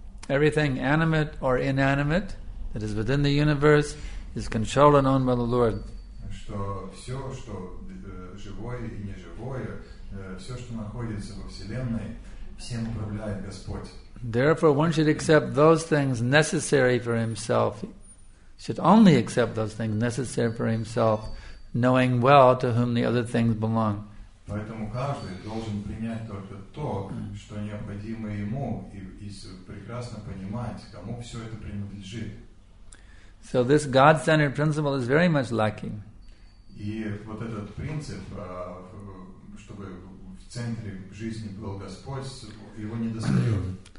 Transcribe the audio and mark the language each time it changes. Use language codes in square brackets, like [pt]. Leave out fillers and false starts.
[en] Everything animate or inanimate that is within the universe is controlled and owned by the Lord. [ru] Что все, что живое и неживое, все, что находится во Вселенной, всем управляет Господь. [en] Therefore, one should accept those things necessary for himself. Should only accept those things necessary for himself, knowing well to whom the other things belong. [ru] Поэтому каждый должен принять только то, что необходимо ему, и прекрасно понимать, кому все это принадлежит. [en] So this God-centered principle is very much lacking. [ru] И вот этот принцип, чтобы в центре жизни был Господь, его недостает.